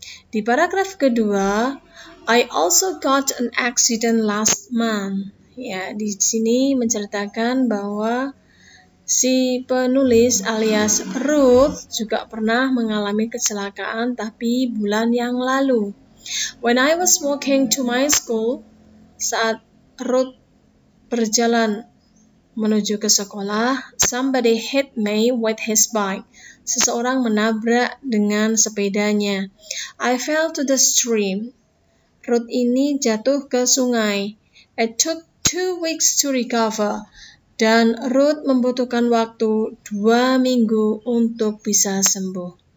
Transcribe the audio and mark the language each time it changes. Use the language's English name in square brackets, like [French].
[Indonesian] Di paragraf kedua, [English] I also got an accident last month. [Indonesian] Ya, di sini menceritakan bahwa si penulis alias Ruth juga pernah mengalami kecelakaan tapi bulan yang lalu. [English] When I was walking to my school, [Indonesian] saat Ruth berjalan menuju ke sekolah, [English] somebody hit me with his bike. [Indonesian] Seseorang menabrak dengan sepedanya. [English] I fell to the stream. [Indonesian] Ruth ini jatuh ke sungai. [English] It took 2 weeks to recover. [Indonesian] Dan Ruth membutuhkan waktu 2 minggu untuk bisa sembuh.